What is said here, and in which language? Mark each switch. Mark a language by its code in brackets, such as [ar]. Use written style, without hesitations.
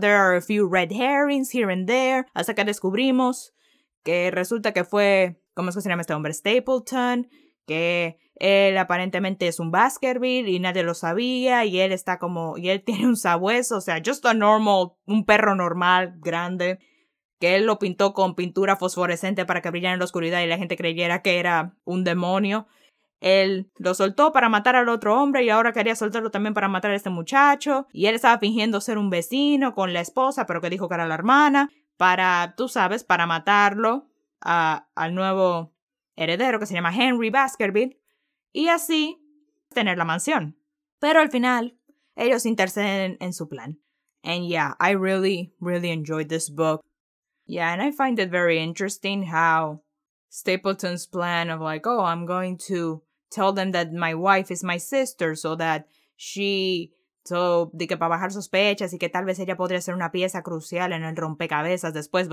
[en] There are a few red herrings here and there. [es] Hasta que descubrimos que resulta que fue, ¿cómo es que se llama este hombre? Stapleton. Que él aparentemente es un Baskerville y nadie lo sabía y él está como, y él tiene un sabueso, o sea, [en] just a normal, [es] un perro normal, grande, que él lo pintó con pintura fosforescente para que brillara en la oscuridad y la gente creyera que era un demonio. Él lo soltó para matar al otro hombre y ahora quería soltarlo también para matar a este muchacho y él estaba fingiendo ser un vecino con la esposa, pero que dijo que era la hermana, para, tú sabes, para matarlo al nuevo heredero que se llama Henry Baskerville, y así tener la mansión. Pero al final, ellos interceden en su plan. [en] And yeah, I really, really enjoyed this book. Yeah, and I find it very interesting how Stapleton's plan of like, oh, I'm going to tell them that my wife is my sister so that she, so, [es] de que para bajar sospechas y que tal vez ella podría ser una pieza crucial en el rompecabezas después.